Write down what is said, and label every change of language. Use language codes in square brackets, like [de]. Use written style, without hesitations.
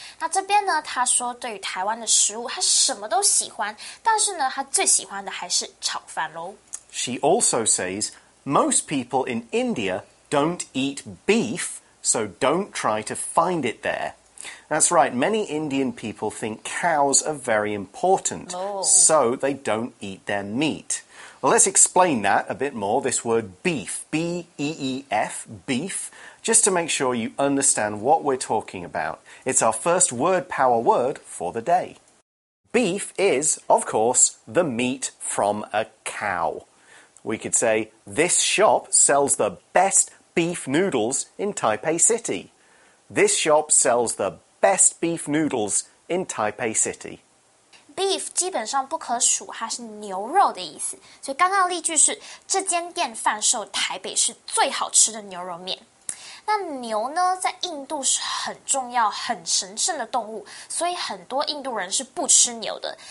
[zh] 那这边呢，他说对于台湾的食物，他什么都喜欢，但是呢，他最喜欢的还是炒饭咯。 [en] She also says, most people in India don't eat beef, so don't try to find it there. That's right, many Indian people think cows are very important,so they don't eat their meat. Well, let's explain that a bit more, this word beef, B-E-E-F, beef, just to make sure you understand what we're talking about. It's our first word power word for the day. Beef is, of course, the meat from a cow. We could say, this shop sells the best beef noodles in Taipei City. This shop sells the best beef noodles in Taipei City. [zh] Beef 基本上不可数，它是牛肉的意思。所以刚刚的例句是，这间店贩售台北市最好吃的牛肉面。那牛呢，在印度是很重要、很神圣的动物，所以很多印度人是不吃牛的。